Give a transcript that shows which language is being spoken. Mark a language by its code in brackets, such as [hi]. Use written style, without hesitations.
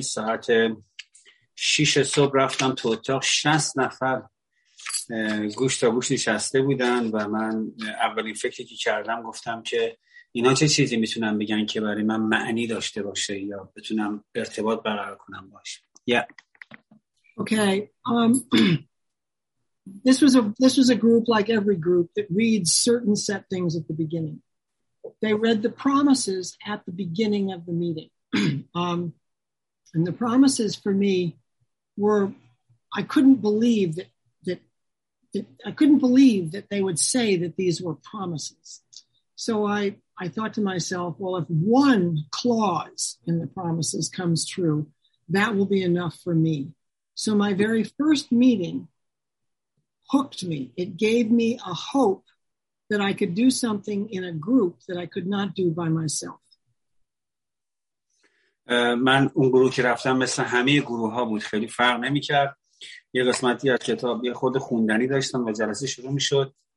[fa] ساعت 6 صبح رفتم تو اتاق، 60 نفر گوش تا گوش نشسته بودن و من اولین فکری که کردم گفتم که اینا چه چیزی میتونن بگن که برای من معنی داشته باشه یا بتونم ارتباط برقرار کنم باش؟ Yeah. [en] Okay. This was a group like every group that reads certain set things at the beginning. They read the promises at the beginning of the meeting. And the promises for me were, I couldn't believe that they would say that these were promises. So I thought to myself, well, if one clause in the promises comes true, that will be enough for me. So my very first meeting hooked me. It gave me a hope that I could do something in a group that I could not do by myself. [fa] من اون گروه که رفتم مثل همه گروه ها بود، خیلی فرق نمی کرد. یه قسمتی از کتاب یه خود خوندنی داشتم و جلسه شروع می شد.